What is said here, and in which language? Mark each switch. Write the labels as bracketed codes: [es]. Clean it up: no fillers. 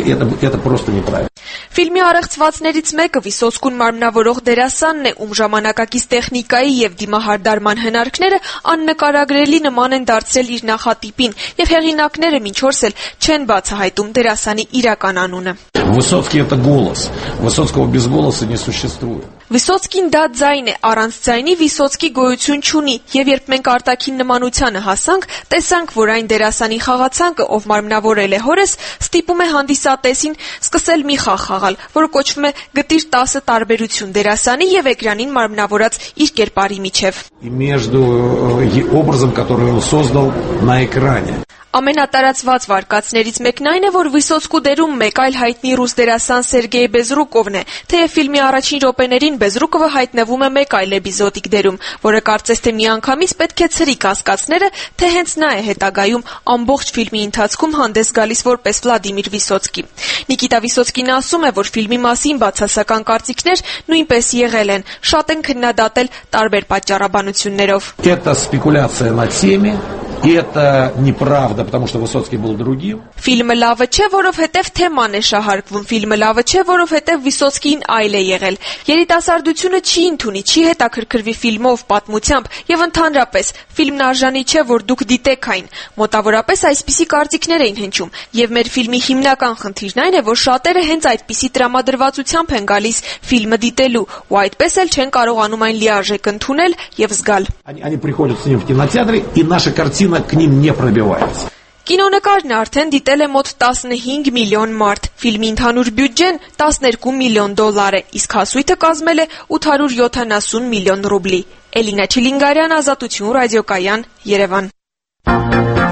[hy] Ֆիլմի առեղծվածներից մեկը Վիսոցկուն մարմնավորող դերասանն է, ում ժամանակակից տեխնիկայի և դիմահարդարման հնարքները աննկարագրելի նման են դարձրել իր նախատիպին, և հեղինակները մինչ որս էլ չեն բացահայտում դերասանի իրական անունը. [ru] Высоцкий это голос. Высоцкого без голоса не существует. [hy] Высоцкин да ձայն է, առանց ձայնի Высоцкий գոյություն չունի, եւ երբ մենք արտաքին նմանությանը հասանք, տեսանք, որ այն դերասանի խաղացանկը, ով մարմնավորել է հորս, ստիպում է հանդիսատեսին սկսել մի խաղ խաղալ, որը կոչվում է գտիր 10 տարբերություն դերասանի եւ էկրանին մարմնավորած իր կերպարի միջև. [ru] Между образом, который он создал на экране. [hy] Ամենատարածված վարկածներից մեկն այն է, որ Վիսոցկու դերում մեկ այլ հայտնի ռուս դերասան Սերգեյ Բեզրուկովն է, թեև ֆիլմի առաջին րոպեներին Բեզրուկովը հայտնվում է մեկ այլ էպիզոդիկ դերում, որը կարծես թե միանգամից պետք է ցրի կասկածները, թե հենց նա է հետագայում ամբողջ ֆիլմի ընթացքում հանդես գալիս որպես Վլադիմիր Վիսոցկի։ Նիկիտա Վիսոցկին ասում է, որ ֆիլմի մասին բացասական կարծիքներ նույնպես եղել են, շատ են քննադատել տարբեր պատճառաբանություններով։ [ru] И это неправда, потому что Высоцкий был другим. [hy] Ֆիլմը լավը չէ, որովհետև թեման է շահարկվում, ֆիլմը լավը չէ, որովհետև Վիսոցկին այլ է եղել։ Երիտասարդությունը չի ընդունի, չի հետաքրքրվի ֆիլմով, պատմությամբ, եւ ընդհանրապես ֆիլմն արժանի չէ, որ դուք դիտեք այն։ Մոտավորապես այսպիսի կարծիքներ էին հնչում, եւ մեր ֆիլմի հիմնական խնդիրն այն է, որ շատերը հենց այդպիսի տրամադրվածությամբ են գալիս ֆիլմը դիտելու, ու այդպես էլ չեն կարողանում այն լիարժեք ընդունել եւ զգալ։ [ru] Они приходят с ним в кинотеатры, и наша картина к ним не пробивается. [hy] Կինոնկարն արդեն դիտել է մոտ 15 միլիոն մարդ, ֆիլմի ընդհանուր բյուջեն 12 միլիոն դոլար է, իսկ հասույթը կազմել է 870 միլիոն ռուբլի։ Էլինա Չիլինգարյան, Ազատություն ռադիոկայան, Երևան։